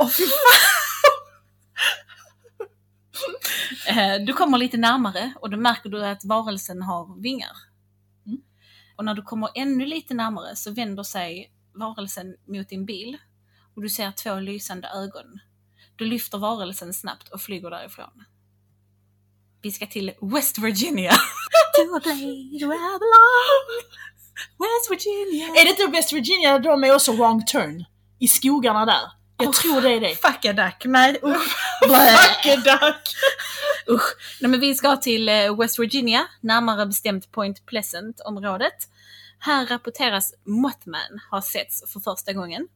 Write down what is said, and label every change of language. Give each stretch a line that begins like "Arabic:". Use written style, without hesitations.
Swedish: Oh, du kommer lite närmare och då märker du att varelsen har vingar. Mm. Och när du kommer ännu lite närmare så vänder sig varelsen mot din bil och du ser två lysande ögon. Du lyfter varelsen snabbt och flyger därifrån. Vi ska till West Virginia.
English: To a place where I belong.
Swedish: West Virginia. Är det inte West Virginia? De är också wrong turn. I skogarna där. Jag tror det är det.
English: Fuck a duck. Nej. Fuck a duck.
Swedish: Nej, men vi ska till West Virginia. Närmare bestämt Point Pleasant-området. Här rapporteras Mothman har setts för första gången.